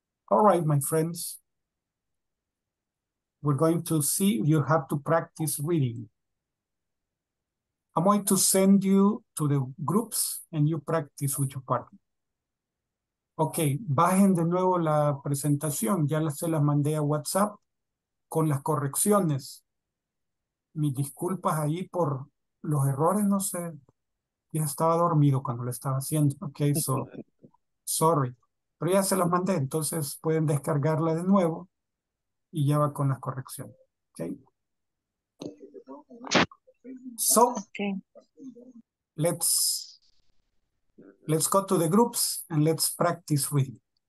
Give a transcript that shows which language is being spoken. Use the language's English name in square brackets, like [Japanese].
[English] All right, my friends. We're going to see, you have to practice reading. I'm going to send you to the groups and you practice with your partner. [Spanish] Okay, bajen de nuevo la presentación. Ya se las mandé a WhatsApp con las correcciones. Mis disculpas ahí por los errores, no sé. Ya estaba dormido cuando lo estaba haciendo. Okay, so... Sorry, pero ya se las mandé, entonces pueden descargarla de nuevo y ya va con las correcciones. [English] Okay. So, okay. Let's go to the groups and let's practice with you.